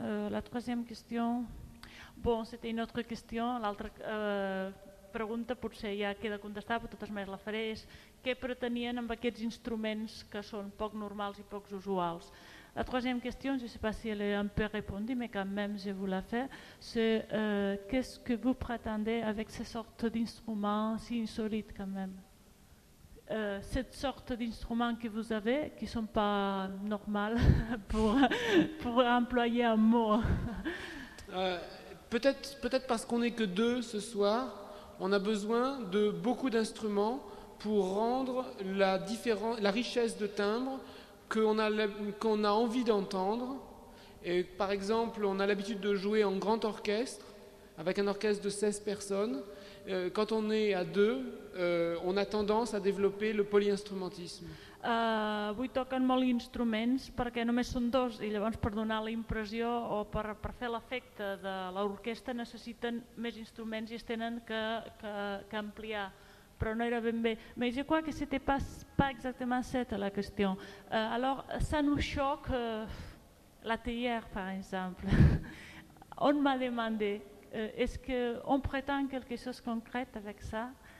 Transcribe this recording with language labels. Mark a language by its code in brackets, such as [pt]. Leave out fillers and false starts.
[fr] La troisième question, bon, c'était une autre question, [ca] l'altra pregunta potser ja queda contestada, però totes més la faré, és què pretenien amb aquests instruments que són poc normals i poc usuals. [fr] La troisième question, je ne sais pas si elle est un peu répondue, mais quand même je vous la fais, c'est qu'est-ce que vous prétendez avec ces sortes d'instruments si insolites quand même cette sorte d'instruments que vous avez, qui ne sont pas normales pour employer un mot. Peut-être parce qu'on n'est que deux ce soir, on a besoin de beaucoup d'instruments pour rendre la richesse de timbre qu'on a envie d'entendre. Et par exemple, on a l'habitude de jouer en grand orchestre, avec un orchestre de 16 personnes. Quand on est à deux, on a tendance à développer le polyinstrumentisme. [ca] Avui toquen molt instruments perquè només són dos i llavors per donar la impressió o per fer l'efecte de l'orquestra necessiten més instruments i es tenen que ampliar. [es] Pero no era bien bien. [fr] Mais je crois que c'était pas exactement cette la question. Alors, ça nous choque la théière, par exemple. On m'a demandé, est-ce qu'on prétend quelque chose de concret avec ça?